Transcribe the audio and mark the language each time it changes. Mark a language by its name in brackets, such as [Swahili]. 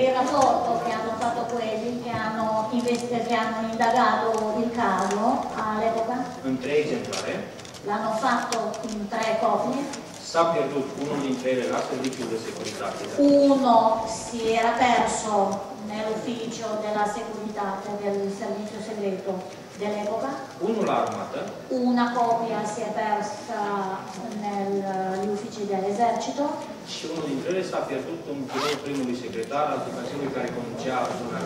[Italian] Il rapporto che hanno fatto quelli che hanno indagato il caso all'epoca. In 3 esemplari. L'hanno fatto in 3 copie. [Romanian] S-a pierdut unul dintre ele la serviciul de securitate. [Italian] Uno si era perso nell'ufficio della securitate del servizio segreto dell'epoca. [Romanian] Unul la armată. [Italian] Una copia si è persa negli uffici dell'esercito. [Romanian] Și unul dintre ele s-a pierdut un bilet primului secretar al Dicasiului care conducea zona